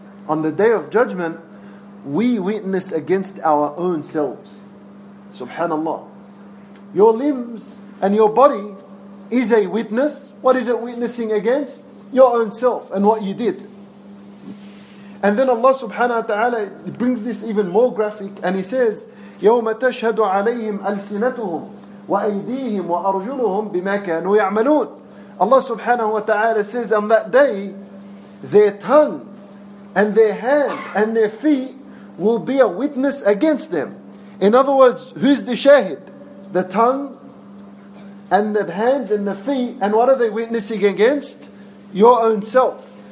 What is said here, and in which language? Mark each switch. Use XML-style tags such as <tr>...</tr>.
<en>On the day of judgment, we witness against our own selves. SubhanAllah. Your limbs and your body is a witness. What is it witnessing against? Your own self and what you did. And then Allah subhanahu wa ta'ala brings this even more graphic, and He says,</en> <ar>يوم تشهد عليهم ألسنتهم وأيديهم وأرجلهم بما كانوا يعملون.</ar> <en>Allah subhanahu wa ta'ala says, on that day, their tongue and their hand and their feet will be a witness against them. In other words, who's the shahid? The tongue and the hands and the feet. And what are they witnessing against? Your own self.</en>